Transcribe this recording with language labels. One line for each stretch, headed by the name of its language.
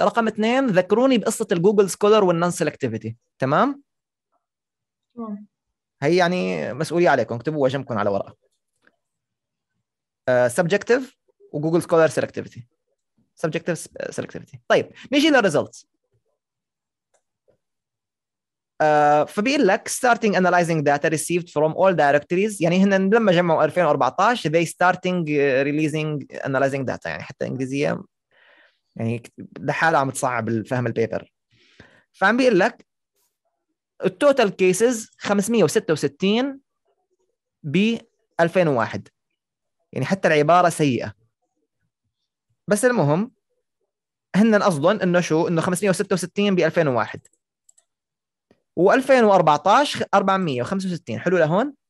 Arabic: رقم اثنين, ذكروني بقصة الجوجل سكولر والنون سيلكتيفيتي, تمام؟ هي يعني مسؤولية عليكم, اكتبوا وجمكم على ورقة. سبجكتيف وجوجل سكولر سيلكتيفيتي, سبجكتيف سيلكتيفيتي. طيب نيجي للريزلت. فبيقول لك
English: starting analyzing data received from all directories,
Arabic: يعني هنا لما جمعوا 2014
English: they starting releasing analyzing data.
Arabic: يعني حتى انجليزية يعني لحالة عم تصعب الفهم البيبر. فعم بيقول لك التوتال كيسز 566 ب 2001, يعني حتى العبارة سيئة, بس المهم هن أصدن انه شو, انه 566 ب 2001 و 2014 465, حلو لهون.